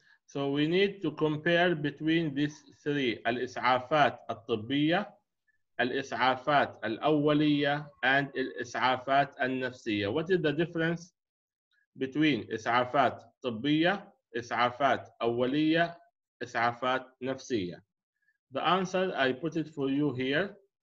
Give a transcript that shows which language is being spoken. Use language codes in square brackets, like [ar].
[en] So we need to compare between these three. [ar] الإسعافات الطبية, الإسعافات الأولية and الإسعافات النفسية. [en] What is the difference between [ar] إسعافات طبية, إسعافات أولية, إسعافات نفسية? [en] The answer, I put it for you here.